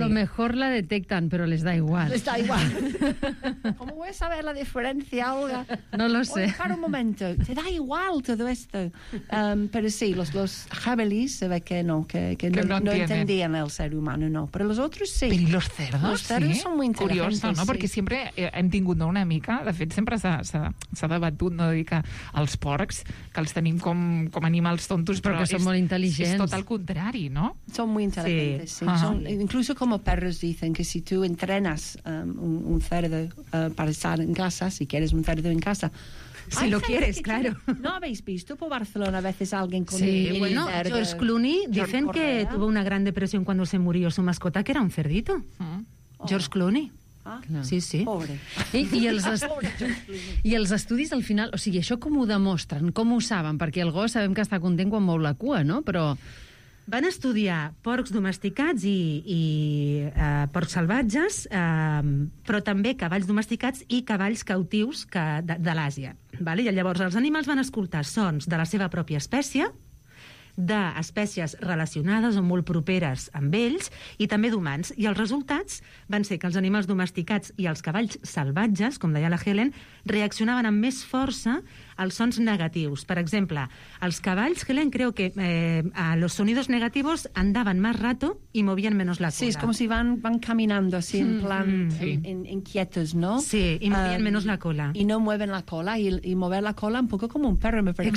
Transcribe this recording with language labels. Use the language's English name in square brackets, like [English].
[Spanish] A lo mejor la detectan, pero les da igual. Les da igual. ¿Cómo voy a saber la diferencia, Olga? No lo sé. Oye, para un momento. Te da igual todo esto. Pero sí, los jabalíes se ve que no, que no entendían el ser humano, no. Pero los otros sí. Pero ¿y los cerdos? Los cerdos, sí, son muy interesantes. Curioso, ¿no? Porque sí, siempre entiendo [Catalan] una mica, de fet sempre s'ha debatut, no, dir que els porcs, que els tenim com animals tontos, però que són molt intel·ligents. És tot el contrari, no? Són molt intel·ligents, sí. [Spanish] Incluso como perros dicen que si tú entrenas un cerdo para estar en casa, si quieres un cerdo en casa, si lo quieres, claro. ¿No habéis visto por Barcelona a veces alguien con... Sí, bueno, George Clooney, dicen que tuvo una gran depresión cuando se murió su mascota, que era un cerdito. George Clooney. Ah, sí, sí. Pobre. [Catalan] I els estudis, al final, o sigui, això com ho demostren? Com ho saben? Perquè el gos sabem que està content quan mou la cua, no? Però van estudiar porcs domesticats i porcs salvatges, però també cavalls domesticats i cavalls cautius de l'Àsia. Vale? I llavors els animals van escoltar sons de la seva pròpia espècie, d'espècies relacionades o molt properes amb ells, i també d'humans. I els resultats van ser que els animals domesticats i els cavalls salvatges, com deia la Helen, reaccionaven amb més força als sons negatius. Per exemple, els cavalls, [Spanish] Helen, creo que a los sonidos negativos andaban más rato y movían menos la cola. Sí, es como si van caminando así, en plan, en quietos, ¿no? Sí, y movían menos la cola. Y no mueven la cola, y mover la cola un poco como un perro, me parece.